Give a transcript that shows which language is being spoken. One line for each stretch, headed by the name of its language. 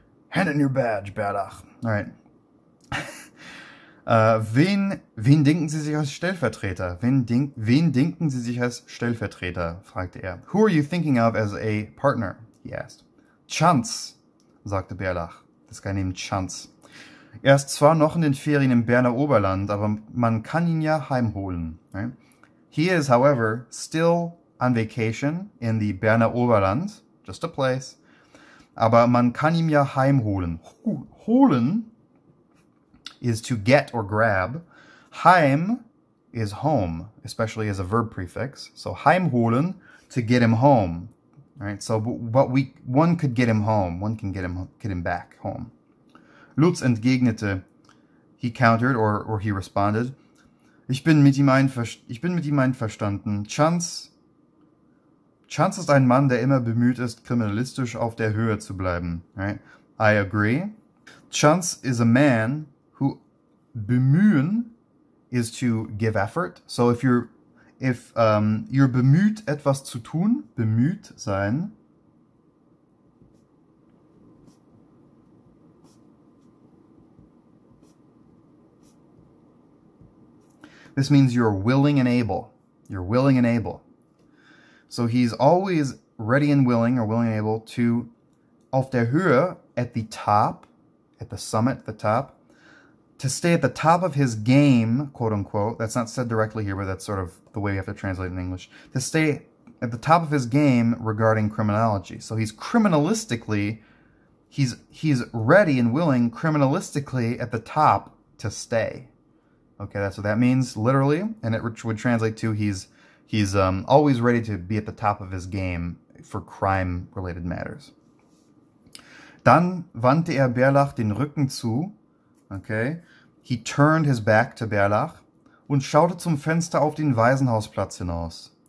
English: Hand in your badge, Bärlach. All right.
German: wen denken Sie sich als Stellvertreter? Wen denken Sie sich als Stellvertreter?
English: Fragte er. Who are you thinking of as a partner? He asked.
German: Chanz, sagte Bärlach.
English: Das Guy named Chance.
German: Er ist zwar noch in den Ferien im Berner Oberland, aber man kann ihn ja heimholen.
English: Right? He is, however, still on vacation in the Berner Oberland, just a place,
German: aber man kann ihn ja heimholen.
English: Holen is to get or grab. Heim is home, especially as a verb prefix. So heimholen, to get him home. All right, so what we one could get him home. One can get him back home.
German: Lutz entgegnete.
English: He countered, or he responded.
German: Ich bin mit ihm einverstanden. Chance ist ein Mann, der immer bemüht ist, kriminalistisch auf der Höhe zu bleiben.
English: Right? I agree. Chance is a man who bemühen is to give effort.
German: So if you're bemüht, etwas zu tun, bemüht sein.
English: This means you're willing and able. You're willing and able. So he's always ready and willing, or willing and able, to auf der Höhe, at the top, at the summit, the top, to stay at the top of his game, quote-unquote. That's not said directly here, but that's sort of the way we have to translate it in English. To stay at the top of his game regarding criminology. So he's criminalistically, he's ready and willing, criminalistically, at the top to stay. Okay, that's what that means, literally, and it would translate to he's always ready to be at the top of his game for crime-related matters.
German: Dann wandte er Bärlach den Rücken zu.
English: Okay, he turned his back to Bärlach
German: und schaute zum Fenster auf den Waisenhausplatz hinaus.